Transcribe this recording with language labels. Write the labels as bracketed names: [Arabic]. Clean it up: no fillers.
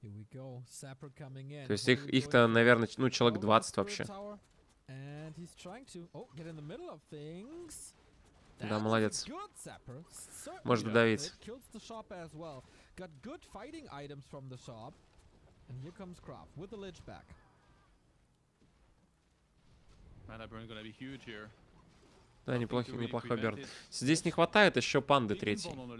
[Russian] То есть их-то, наверное, ну, человек 20 вообще. [English] And he's trying to get in the middle of things. [Russian] Да, молодец. Может давить. [English] Killed the shop as well. Got good fighting items from the shop. And here comes Croft with the lich back. Man, that burn is gonna be huge here. [Russian] Да, неплохой берн. Здесь не хватает еще панды третьей.